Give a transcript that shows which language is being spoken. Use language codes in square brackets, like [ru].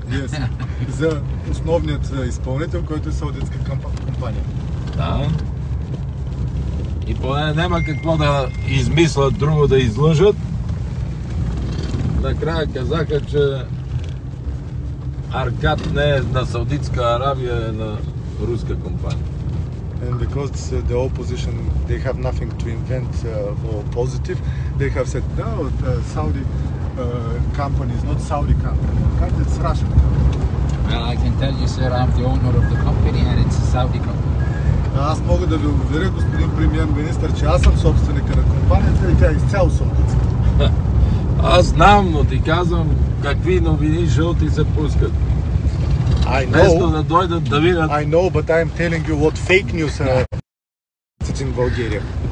[bg] Yes, за основният изпълнител, който е саудитска компания. Да. И поне няма какво да измислят друго да излъжат. Накрая казаха, че Аркад не е на Саудитска Арабия, е на руска компания. [en] And because the opposition, they have nothing to invent for positive, they have said, no, the Saudi company is not Saudi company, it's Russian company. Well, I can tell you, sir, I'm the owner of the company and it's a Saudi company. [bg] Аз мога да ви уверя, господин премьер-министр, че аз съм собственика на компанията и тя е изцяло саудитска. Аз знам, но ти казвам какви новини жълти се пускат. [en] I know, [bg] да видят... [en] I know, but I am telling you what fake news are in Bulgaria.